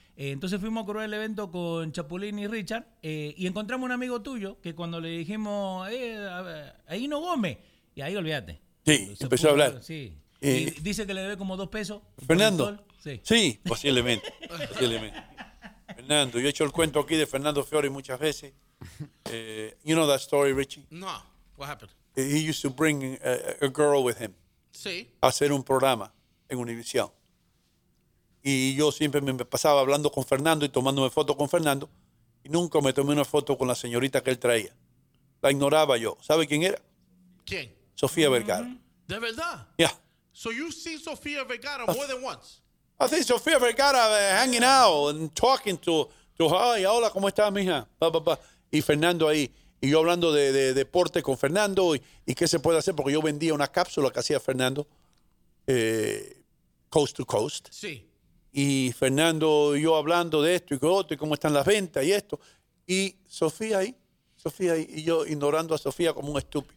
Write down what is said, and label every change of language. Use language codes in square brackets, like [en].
[es] Entonces fuimos a correr el evento con Chapulín y Richard, y encontramos un amigo tuyo que cuando le dijimos, ahí no Gómez, y ahí olvídate. Sí, se empezó a hablar. Sí. Y dice que le debe como 2 pesos. ¿Fernando? Sí, posiblemente. Fernando, yo he hecho el cuento aquí de Fernando Fiore muchas veces. [en] You know that story, Richie? No, what happened? He used to bring a girl with him. [es] Sí. A hacer un programa en Univision. Y yo siempre me pasaba hablando con Fernando y tomándome fotos con Fernando. Y nunca me tomé una foto con la señorita que él traía. La ignoraba yo. ¿Sabe quién era? ¿Quién? Sofía Vergara. Mm-hmm. ¿De verdad? Ya. Yeah. [en] So you've seen Sofía Vergara more than once. I think Sofía Vergara hanging out and talking to her. [es] Ay, hola, ¿cómo estás, mija? Ba, ba, ba. Y Fernando ahí. Y yo hablando de deporte con Fernando y qué se puede hacer, porque yo vendía una cápsula que hacía Fernando coast to coast. Sí. Y Fernando y yo hablando de esto y con otro y cómo están las ventas y esto. Y Sofía ahí, y yo ignorando a Sofía como un estúpido.